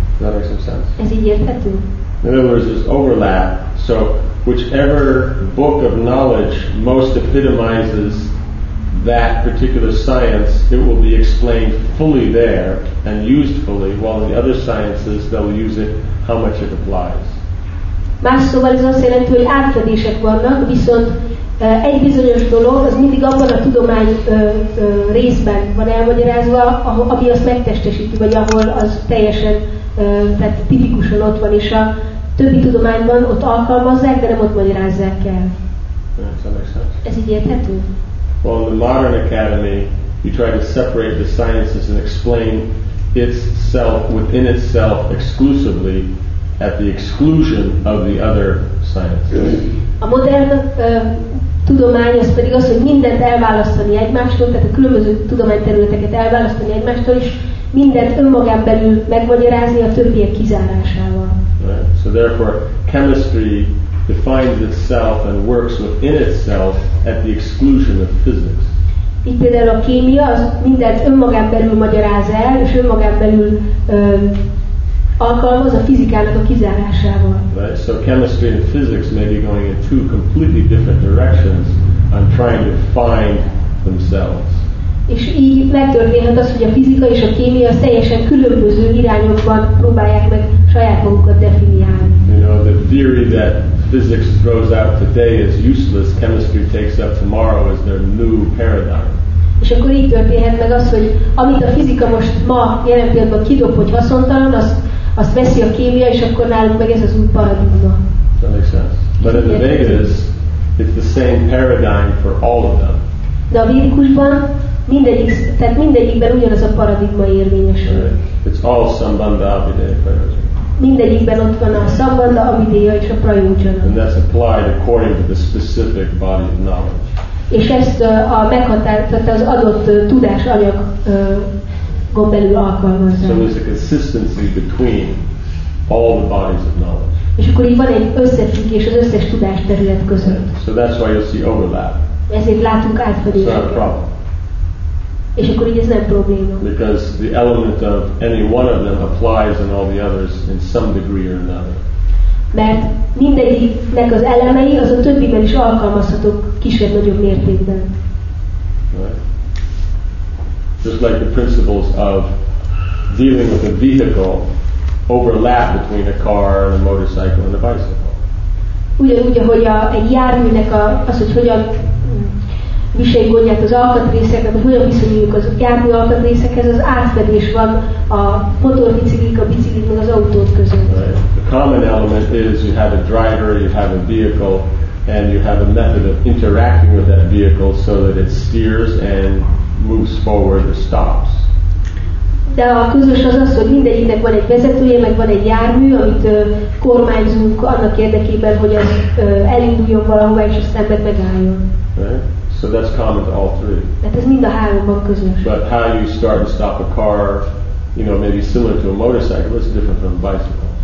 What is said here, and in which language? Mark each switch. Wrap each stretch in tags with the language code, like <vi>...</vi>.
<en>That makes some sense.</en> <hu>Ez így érthető?</hu> <en>In other words, there's overlap. So whichever book of knowledge most epitomizes that particular science, it will be explained fully there and used fully, while in the other sciences they'll use it how much it applies.</en> <hu>Más szóval ez azt jelenti, hogy átfedések vannak, viszont egy bizonyos dolog az mindig abban a tudomány részben van elmagyarázva, ami azt megtestesíti, vagy ahol az teljesen, tehát tipikusan ott van, és a többi tudományban ott alkalmazzák, de nem ott magyarázzák el. Ez így érthető?</hu> <en>Well, in the modern academy, you try to separate the sciences and explain itself within itself exclusively at the exclusion of the other sciences.</en> <hu>A modern tudomány az pedig az, hogy mindent elválasztani egymástól, tehát a különböző tudományterületeket elválasztani egymástól, és mindent önmagán belül megmagyarázni a többiek kizárásával.</hu> <en>Right. So therefore, chemistry defines itself and works within itself at the exclusion of physics.</en> <hu>Itt például a kémia az mindent önmagán belül magyaráz el, és önmagán belül alkalmaz a fizikának a kizárásával.</hu> <en>Right. So chemistry and physics may be going in two completely different directions on trying to find themselves.</en> <hu>És így megtörténhet az, hogy a fizika és a kémia teljesen különböző irányokban próbálják meg saját magukat definiálni.</hu> <en>You know, the theory that physics throws out today is useless, chemistry takes up tomorrow as their new paradigm.</en> <hu>És akkor így történhet meg az, hogy amit a fizika most ma jelen pillanatban kidob, hogy haszontalan, azt veszi a kémia, és akkor nálunk meg ez az új paradigma.</hu> <en>That makes sense. But in the Vedas, it's the same paradigm for all of them.</en> <hu>De a védikusban mindegyikben ugyanaz a paradigma érvényesül.</hu> <en>Right. It's all sambandha abhidaya paradigma.</en> <hu>Mindegyikben ott van a sambandha abhidaya és a prajojana.</hu> <en>And that's applied according to the specific body of knowledge.</en> <hu>És ezt a meghatározott az adott tudás anyag belül alkalmazza.</hu> <en>So there's a consistency between all the bodies of knowledge.</en> <hu>És akkor itt van egy összefüggés az összes tudás terület között.</hu> <en>Right. So that's why you'll see overlap.</en> <hu>Ezért látunk átfedést.</hu> <en>It's not a problem.</en> <hu>És akkor így ez nem probléma.</hu> <en>Because the element of any one of them applies in all the others in some degree or another.</en> <hu>Mert mindegyiknek az elemei az a többiben is alkalmazhatók kisebb nagyobb mértékben.</hu> <en>Right. Just like the principles of dealing with a vehicle overlap between a car and a motorcycle and a bicycle.</en> <hu>Ugyanúgy, ahogy egy járműnek az, hogy hogyan viseljük gondját az alkatrészeknek, hogy hogyan viszonyuljuk az jármű alkatrészekhez, az átfedés van a motorbiciklik, a biciklik, meg az autók között.</hu> <en>Right. The common element is you have a driver, you have a vehicle, and you have a method of interacting with that vehicle so that it steers and moves forward or stops.</en> <hu>De a közös az az, hogy mindegyiknek van egy vezetője, meg van egy jármű, amit kormányzunk annak érdekében, hogy az elinduljon valahova, és aztán meg megálljon.</hu> <en>Right. So that's common to all three.</en> <hu>Hát ez mind a háromban közös.</hu> <en>But how you start and stop a car, you know, maybe similar to a motorcycle, it's different from a bicycle.</en>